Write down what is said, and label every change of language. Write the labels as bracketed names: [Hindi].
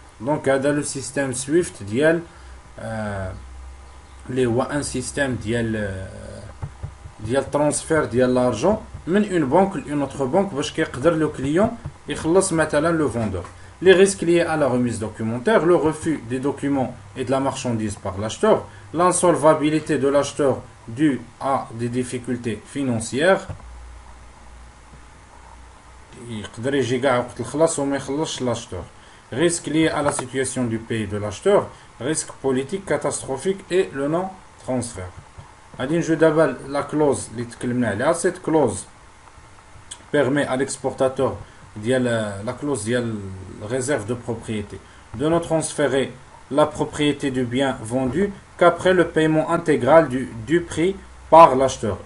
[French] Donc, dans le système SWIFT, DL, les ou un système ديال transfert ديال l'argent من une banque une autre banque [Arabic] باش كيقدر [French] le client [Arabic] يخلص مثلا [French] le vendeur. Les risques liés à la remise documentaire, le refus des documents et de la marchandise par l'acheteur, l'insolvabilité de l'acheteur due à des difficultés financières. [Arabic] يقدر يجي كاع وقت الخلاص وما يخلصش l'acheteur. [French] Risques liés à la situation du pays de l'acheteur, risque politique catastrophique et le non-transfert. Adin Judabal, la clause, cette clause permet à l'exportateur, la clause de réserve de propriété, de ne transférer la propriété du bien vendu qu'après le paiement intégral du prix par l'acheteur.